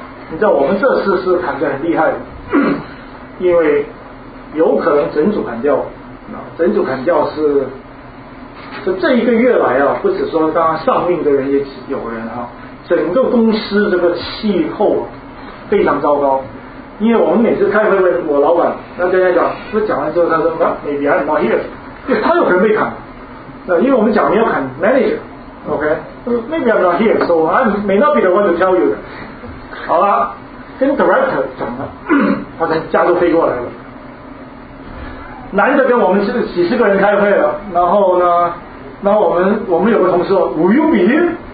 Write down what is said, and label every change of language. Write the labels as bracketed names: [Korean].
[Chinese] 你知道我们这次是砍得很厉害的，因为有可能整组砍掉，整组砍掉是，就这一个月来啊，不止说刚刚丧命的人也有人啊，整个公司这个气候非常糟糕。因为我们每次开会问我老板，那大家讲，我讲完之后他说啊 ， maybe I'm not here，因为他有可能被砍，因为我们讲没有砍 manager，OK，、okay? [English] maybe I'm not here， so I may not be the one to tell you。 [Chinese] 好了，跟 director 讲了，他从加州飞过来了，男的跟我们几十个人开会了，然后呢，然后我们有个同事说 ， Will you be here？